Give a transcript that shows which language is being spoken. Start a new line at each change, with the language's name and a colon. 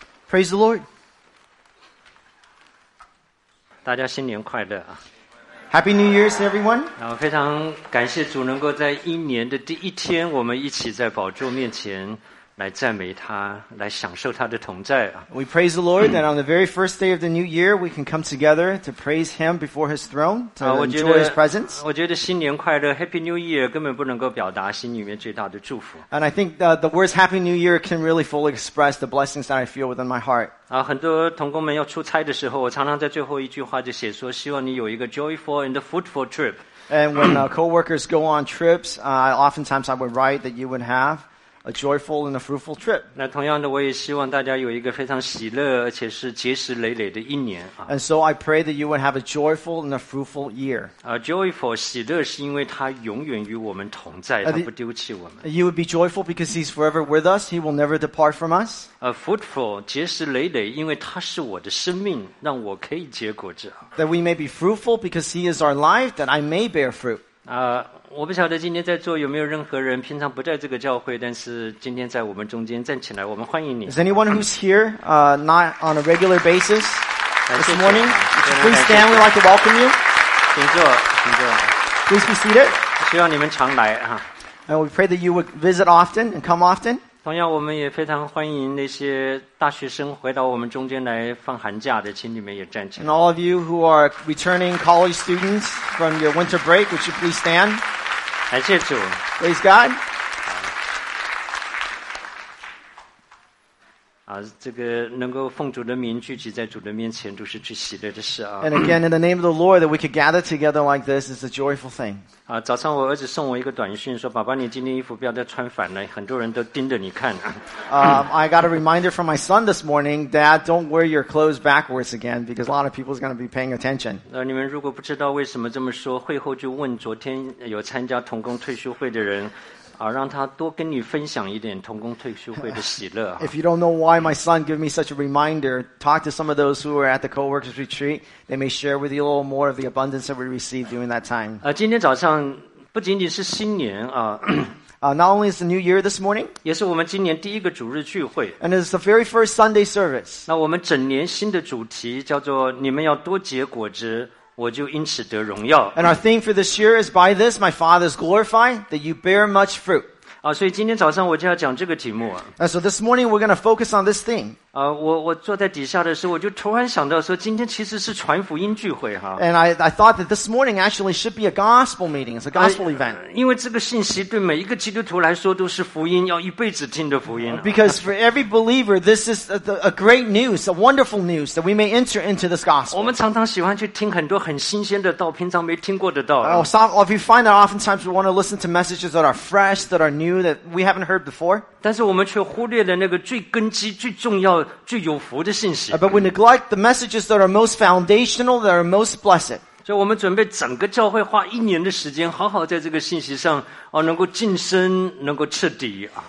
English: Praise the Lord。
Chinese: 大家新年快乐啊。
English: Happy New Year's, everyone.
Chinese: 非常感谢主能够在一年的第一天，我们一起在宝座面前来赞美他，来享受他的同在。
English: We praise the Lord that on the very first day of the new year, we can come together to praise him before his throne, to enjoy his presence.
Chinese: 我觉得新年快乐
English: Happy New Year
Chinese: 根本不能够表达心里面最大的祝福。
English: And I think the words Happy New Year can really fully express the blessings that I feel within my heart.
Chinese: 很多同工们要出差的时候，我常常在最后一句话就写说，希望你有一个
English: joyful and fruitful trip. And when co-workers go on trips, oftentimes I would write that you would haveA joyful and a fruitful trip.
Chinese: 那同样的，我也希望大家有一个非常喜乐，而且是结实累累的一年。
English: And so I pray that you would have a joyful and a fruitful year.
Chinese: Joyful, 喜乐是因为他永远与我们同在，他不丢弃我们。
English: You would be joyful because he's forever with us. He will never depart from us.
Chinese: Fruitful, 结实累累，因为他是我的生命，让我可以结果子。
English: That we may be fruitful because he is our life, that I may bear fruit.
Chinese: 我不晓得今天在座有没有任何人平常不在这个教会，但是今天在我们中间站起来，我们欢迎你。
English: Is anyone who's here, not on a regular basis this morning? Please stand. We'd like to welcome you.
Chinese: 请坐，请坐。
English: Please be seated.
Chinese: 希望你们常来啊。
English: And we pray that you would visit often and come often.
Chinese: 同样，我们也非常欢迎那些大学生回到我们中间来放寒假的，请你们也站起来。
English: And all of you who are returning college students from your winter break, would you please stand?
Chinese: 感谢主。
English: Praise God.
Chinese: 啊，这个能够奉主的名聚集在主的面前，都是最喜乐的事啊。
English: And again, in the name of the Lord, that we could gather together like this is a joyful thing.
Chinese: 啊，早上我儿子送我一个短信说，爸爸你今天衣服不要再穿反了，很多人都盯着你看。
English: I got a reminder from my son this morning, Dad, don't wear your clothes backwards again, because a lot of people are going to be paying attention.
Chinese: 你们如果不知道为什么这么说，会后就问昨天有参加同工退休会的人，啊，让他多跟你分享一点同工退休会的喜乐。
English: If you don't know why my son gave me such a reminder, talk to some of those who are at the co-workers retreat. They may share with you a little more of the abundance that we received during that time.
Chinese: 今天早上不仅仅是新年啊。
English: Not only is the New Year this morning,
Chinese: 也是我们今年第一个主日聚会。
English: And it's the very first Sunday service.
Chinese: 那我们整年新的主题叫做你们要多结果子。我就因此得荣耀。
English: And our theme for this year is by this my Father is glorified that you bear much fruit.
Chinese: 所以今天早上我就要讲这个题目。
English: And so this morning we're going to focus on this theme.
Chinese: 我坐在底下的时候，我就突然想到说，今天其实是传福音聚会哈。
English: And I thought that this morning actually should be a gospel meeting. It's a gospel event.
Chinese: 因为这个信息对每一个基督徒来说都是福音，要一辈子听的福音。
English: Because for every believer, this is a great news, a wonderful news that we may enter into this gospel.
Chinese: 我们常常喜欢去听很多很新鲜的道，平常没听过的道。
English: If you find that oftentimes we want to listen to messages that are fresh, that are new, that we haven't heard before.
Chinese: 但是我们却忽略了那个最根基、最重要。
English: But we neglect the messages that are most foundational, that are most blessed.
Chinese: 所以我们准备整个教会花一年的时间，好好在这个信息上，能够晋升，能够彻底。